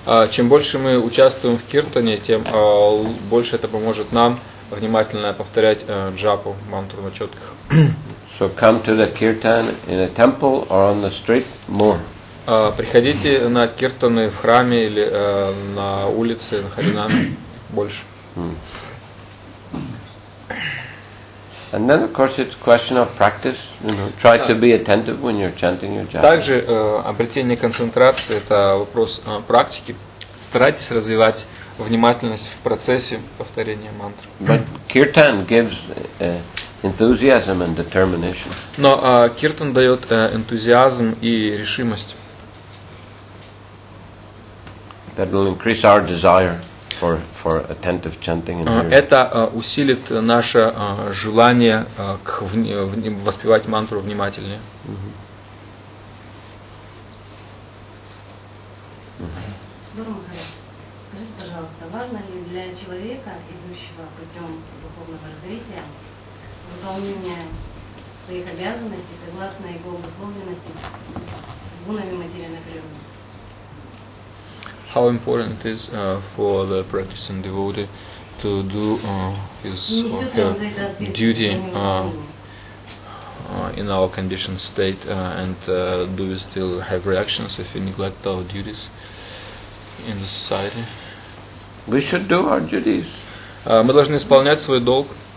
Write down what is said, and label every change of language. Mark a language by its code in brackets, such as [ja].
[ru] Чем больше мы участвуем в киртане, тем больше это поможет нам внимательно повторять джапу, мантру на четках. [en] So come to the kirtan in a temple or on the street more. [ru] Приходите на киртаны в храме или на улице, на харинам больше. [en] And then, of course, it's a question of practice. You know, try to be attentive when you're chanting your japa. [ru] Также обретение концентрации — это вопрос практики. Старайтесь развивать внимательность в процессе повторения мантры. [en] But kirtan gives enthusiasm and determination. [ru] Но киртан дает энтузиазм и решимость. [en] That will increase our desire for attentive chanting and hearing. [ru] Это усилит наше желание к воспевать мантру внимательнее. Скажите, пожалуйста, важно ли для человека, идущего путем духовного развития, выполнение своих обязанностей согласно его обусловленности гунами материальной природы? [en] How important it is for the practicing devotee to do his or her duty in our conditioned state, and do we still have reactions if we neglect our duties in the society? We should do our duties. [ru] Мы должны исполнять свой долг.